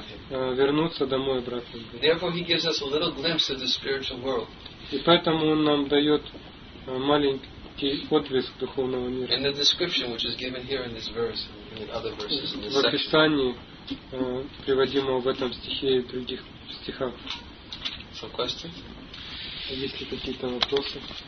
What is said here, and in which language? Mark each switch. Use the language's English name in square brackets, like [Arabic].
[Russian] Вернуться домой обратно. [English] Therefore, he gives us a little glimpse of the spiritual world. [Russian] И поэтому он нам дает маленький отблеск духовного мира. [English] In the description which is given here in this verse and in other verses in this section. [Russian] В описании, приводимого в этом стихе и других стихах. [English] Some questions? [Russian] Есть ли какие-то вопросы?